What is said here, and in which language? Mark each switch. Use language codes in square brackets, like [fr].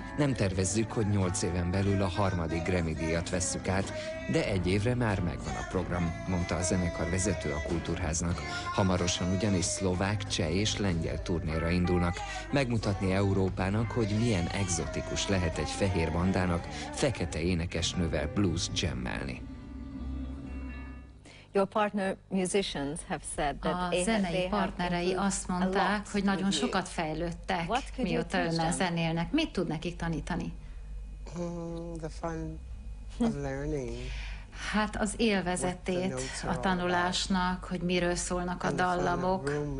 [hu] Nem tervezzük, hogy 8 éven belül a harmadik Grammy-díjat vesszük át, de egy évre már megvan a program, mondta a zenekar vezető a Kultúrháznak. Hamarosan ugyanis szlovák, cseh és lengyel turnéra indulnak. Megmutatni Európának, hogy milyen egzotikus lehet egy fehér bandának fekete énekesnővel blues jammelni. [en] Your partner musicians have said that [hu] a zenei partnerei azt mondták, hogy nagyon sokat fejlődtek, mióta önnel zenélnek. Mit tud nekik tanítani? [en] The fun of learning. [hu] Hát az élvezetét a tanulásnak, hogy miről szólnak a dallamok.